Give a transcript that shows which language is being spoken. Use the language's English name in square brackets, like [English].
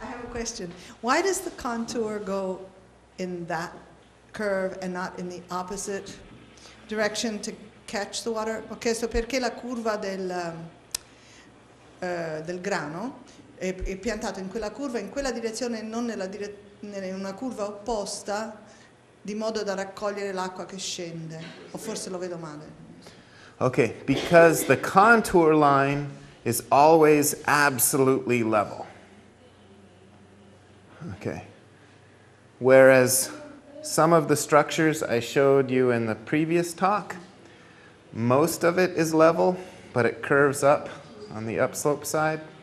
[English] Question. Why does the contour go in that curve and not in the opposite direction to catch the water? Okay, so [Italian] perché la curva del del grano è piantato in quella curva, in quella direzione e non nella in una curva opposta, di modo da raccogliere l'acqua che scende. O forse lo vedo male. [English] Okay, because the contour line is always absolutely level. Okay. Whereas some of the structures I showed you in the previous talk, most of it is level, but it curves up on the upslope side.